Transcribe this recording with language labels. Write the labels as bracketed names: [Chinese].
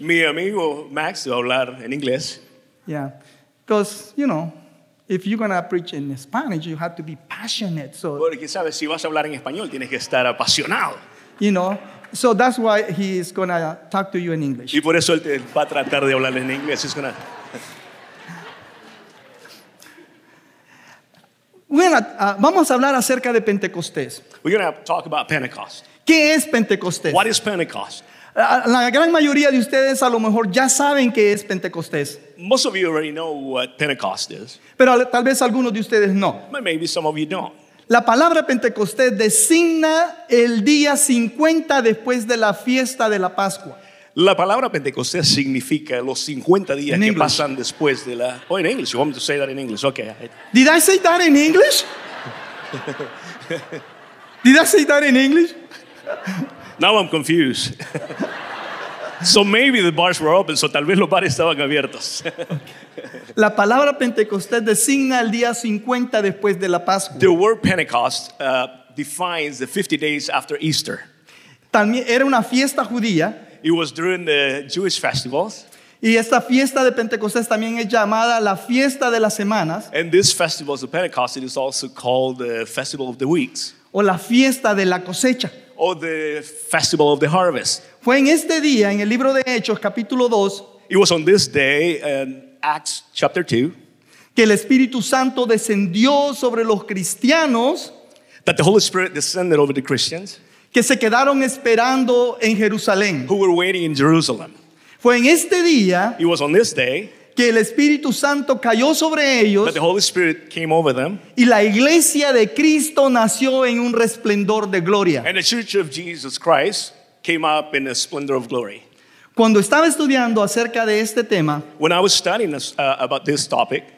[Spanish] Mi amigo Max va a hablar en inglés. [English] Yeah. Because, you know, if you're going to preach in Spanish, you have to be passionate. So, [Spanish] porque, ¿sabes? Si vas a hablar en español, tienes que estar apasionado. [English] You know? So that's why he is going to talk to you in English. [Spanish] Y por eso él va a tratar de hablar en inglés. [English] He's going to... [Spanish] Vamos a hablar acerca de Pentecostés. [English] We're going to talk about Pentecost. [Spanish] ¿Qué es Pentecostés? [English] What is Pentecost? [Spanish] La gran mayoría de ustedes a lo mejor ya saben qué es Pentecostés. [English] Most of you already know what Pentecost is. [Spanish] Pero tal vez algunos de ustedes no. [English] But maybe some of you don't. [Spanish] La palabra Pentecostés designa el día 50 después de la fiesta de la Pascua. La palabra Pentecostés significa los 50 días que pasan después de la... [English] Oh, in English. You want me to say that in English? Okay. Did I say that in English? Did I say that in English? Now I'm confused. So maybe the bars were open, [Spanish] so tal vez los bares estaban abiertos. [English] Okay. [Spanish] La palabra Pentecostés designa el día 50 después de la Pascua. [English] The word Pentecost defines the 50 days after Easter. [Spanish] También era una fiesta judía. [English] It was during the Jewish festivals. [Spanish] Y esta fiesta de Pentecostés también es llamada la fiesta de las semanas. [English] And this festival of Pentecost, it is also called the festival of the weeks. [Spanish] O la fiesta de la cosecha. [English] Or the festival of the harvest. [Spanish] Fue en este día, en el libro de Hechos, capítulo 2. [English] It was on this day, in Acts chapter 2. [Spanish] Que el Espíritu Santo descendió sobre los cristianos. [English] That the Holy Spirit descended over the Christians. [Spanish] Que se quedaron esperando en Jerusalén. [English] Who were waiting in Jerusalem. [Spanish] Fue en este día. [English] It was on this day. [Spanish] Que el Espíritu Santo cayó sobre ellos. [English] That the Holy Spirit came over them. [Spanish] Y la iglesia de Cristo nació en un resplendor de gloria. [English] And the church of Jesus Christ came up in a splendor of glory. [Spanish] Cuando estaba estudiando acerca de este tema, [English] when I was studying this, about this topic,